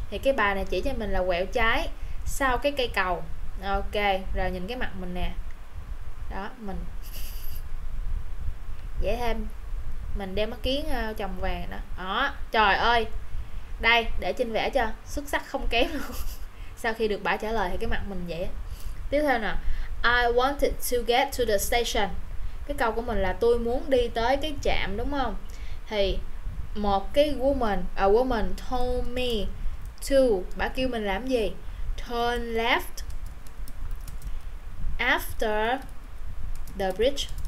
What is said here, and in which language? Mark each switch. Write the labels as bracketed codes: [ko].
[vi] Thì cái bà này chỉ cho mình là quẹo trái sau cái cây cầu. Ok, rồi nhìn cái mặt mình nè. đó mình dễ thêm, mình đeo mắt kiến trồng vàng đó. Đó trời ơi, đây để Trinh vẽ cho, xuất sắc không kém luôn. Sau khi được bà trả lời thì cái mặt mình vậy. Tiếp theo nè, [en] I wanted to get to the station. [vi] Cái câu của mình là tôi muốn đi tới cái trạm, đúng không? Thì một cái woman, [en] a woman told me to, [vi] bà kêu mình làm gì? [en] Turn left after the bridge.